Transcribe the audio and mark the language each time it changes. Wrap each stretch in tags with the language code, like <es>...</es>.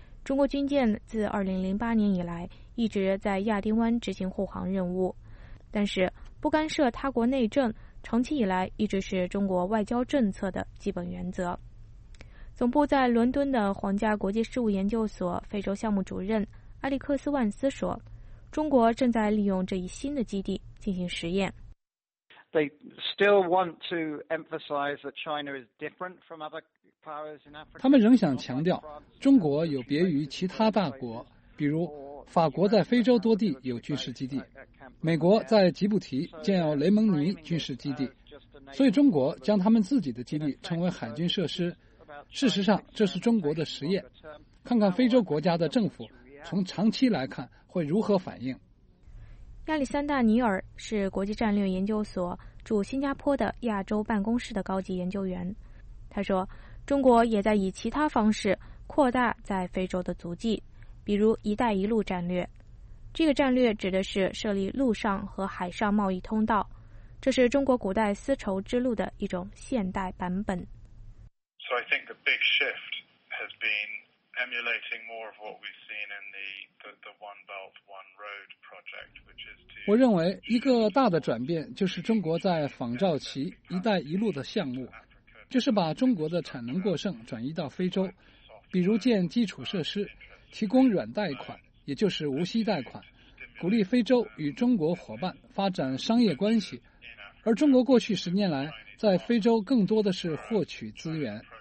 <zh>中国军舰自2008年以来一直在亚丁湾执行护航任务，但是不干涉他国内政长期以来一直是中国外交政策的基本原则。总部在伦敦的皇家国际事务研究所非洲项目主任埃利克斯万斯说，中国正在利用这一新的基地进行实验。</zh> <en>They still want to emphasize that China is different from other powers in Africa.</en> <zh>他们仍想强调中国有别于其他大国，比如法国在非洲多地有军事基地，美国在吉布提建有雷蒙尼军事基地，所以中国将他们自己的基地称为海军设施。事实上，这是中国的实验，看看非洲国家的政府从长期来看会如何反应。亚历山大·尼尔是国际战略研究所驻新加坡的亚洲办公室的高级研究员。他说，中国也在以其他方式扩大在非洲的足迹，比如一带一路战略。这个战略指的是设立陆上和海上贸易通道，这是中国古代丝绸之路的一种现代版本。</zh> <en>So I think the big shift has been emulating more of what we've seen in the One Belt One Road project, which is to.</en> <zh>我认为一个大的转变就是中国在仿照其“一带一路”的项目，就是把中国的产能过剩转移到非洲，比如建基础设施，提供软贷款，也就是无息贷款，鼓励非洲与中国伙伴发展商业关系，而中国过去十年来在非洲更多的是获取资源。</zh>